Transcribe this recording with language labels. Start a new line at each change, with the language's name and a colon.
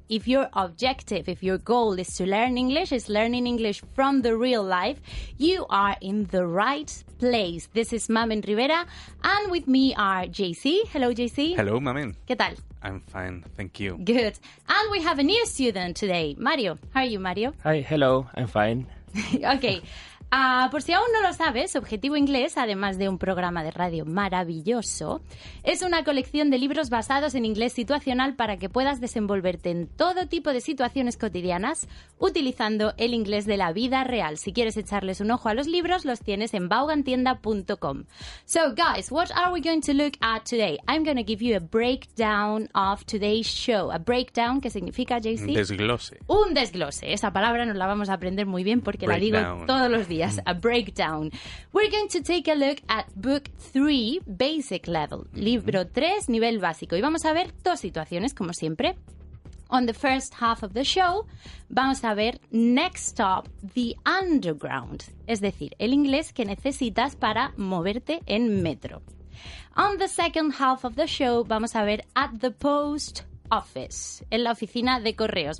English: If your objective, if your goal is to learn English, is learning English from the real life, you are in the right place. This is Mamen Rivera, and with me are JC. Hello, JC. Hello, Mamen.
Spanish: ¿Qué tal?
English: I'm fine, thank you. Good. And we have a new student today, Mario. How are you, Mario? Hi, hello, I'm fine. Okay.
Spanish: Por si aún no lo sabes, Objetivo Inglés, además de un programa de radio maravilloso, es una colección de libros basados en inglés situacional para que puedas desenvolverte en todo tipo de situaciones cotidianas utilizando el inglés de la vida real. Si quieres echarles un ojo a los libros, los tienes en vaughantienda.com.
English: So, guys, what are we going to look at today? I'm going to give you a breakdown of today's show.
Spanish: A breakdown, ¿qué significa, JC? Desglose. Un desglose. Esa palabra nos la vamos a aprender muy bien porque
English: breakdown.
Spanish: La digo todos los días.
English: Yes, a breakdown. We're going to take a look at book 3, basic level.
Spanish: Libro 3, nivel básico. Y vamos a ver dos situaciones, como siempre.
English: On the first half of the show,
Spanish: vamos a ver
English: next stop, the underground.
Spanish: Es decir, el inglés que necesitas para moverte en metro.
English: On the second half of the show,
Spanish: vamos a ver
English: at the post office,
Spanish: en la oficina de correos.